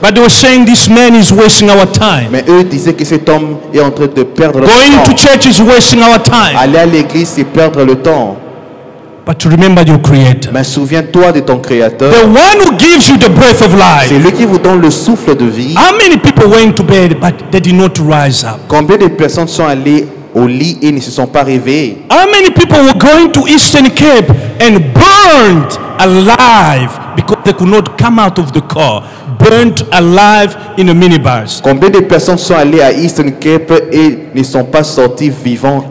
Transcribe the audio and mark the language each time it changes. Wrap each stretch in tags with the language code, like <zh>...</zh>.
<en>But they were saying this man is wasting our time.</en> <fr>Mais eux disaient que cet homme est en train de perdre</fr> <en>going</en> <fr>le temps.</fr> <en>Going to church is wasting our time.</en> <fr>Aller à l'église c'est perdre le temps.</fr> <en>But remember your creator.</en> <fr>Mais souviens-toi de ton créateur.</fr> <en>The one who gives you the breath of life.</en> <fr>C'est lui qui vous donne le souffle de vie.</fr> <en>How many people went to bed but they did not rise up?</en> <fr>Combien de personnes sont allées au lit et ne se sont pas réveillées?</fr> <en>How many people were going to Eastern Cape and burned alive because they could not come out of the car? Burnt alive in a minibus.</en> <fr>Combien de personnes sont allées à Eastern Cape et ne sont pas sorties vivantes?</fr>